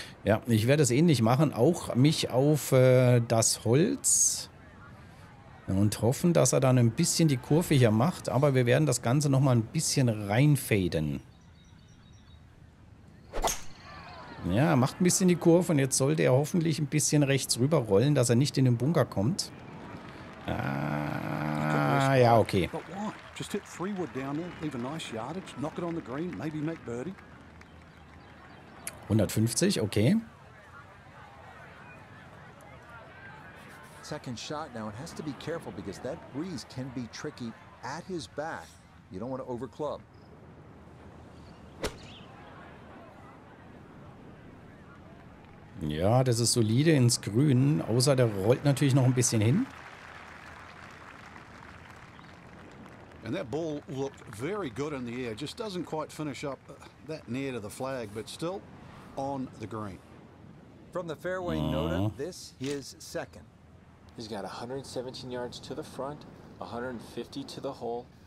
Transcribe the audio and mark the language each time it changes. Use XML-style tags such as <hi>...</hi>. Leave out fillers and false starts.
<de>Ja, ich werde es ähnlich machen, auch mich auf das Holz und hoffen, dass er dann ein bisschen die Kurve hier macht, aber wir werden das Ganze nochmal ein bisschen reinfaden. Ja, macht ein bisschen die Kurve und jetzt sollte er hoffentlich ein bisschen rechts rüberrollen, dass er nicht in den Bunker kommt. Ah, ja, okay.</de> <en>But why? Just hit 3 wood down there, leave a nice yardage, knock it on the green, maybe make birdie. 150, okay. Second shot now, it has to be careful because that breeze can be tricky at his back. You don't want to overclub.</en> <de>Ja, das ist solide ins Grün, außer der rollt natürlich noch ein bisschen hin.</de> <en>And that ball looked very good in the air. Just doesn't quite finish up that near to the flag, but still on the green. From the fairway, Noda, this is second. He's got 117 yards to the front, 150 to the hole.</en>